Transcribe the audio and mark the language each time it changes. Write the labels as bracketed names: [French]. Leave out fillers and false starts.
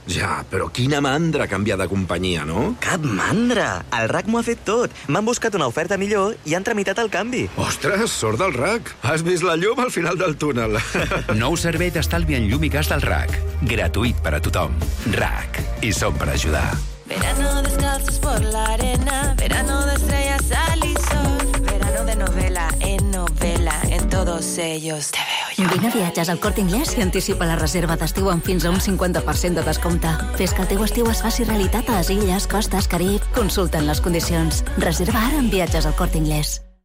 [Catalan] Ja, però quina mandra canviar de companyia, no? Cap mandra! El RAC m'ho ha fet tot. M'han buscat una oferta millor i han tramitat el canvi. Ostres, sort del RAC! Has vist la llum al final del túnel. Nou servei d'estalvi en llum i gas del RAC. Gratuït per a tothom. RAC. I som per ajudar. [Spanish] Verano descalzos por la arena, verano de estrellas, sal y sol, verano de novela en novela, en todos ellos te veo. [Catalan] Vine a Viatges al Corte Inglés i anticipa la reserva d'estiu amb fins a un 50% de descompte. Fes que el teu estiu es faci realitat a les Illes, Costes, Carib. Consulta en les condicions. Reserva ara amb Viatges al Corte Inglés.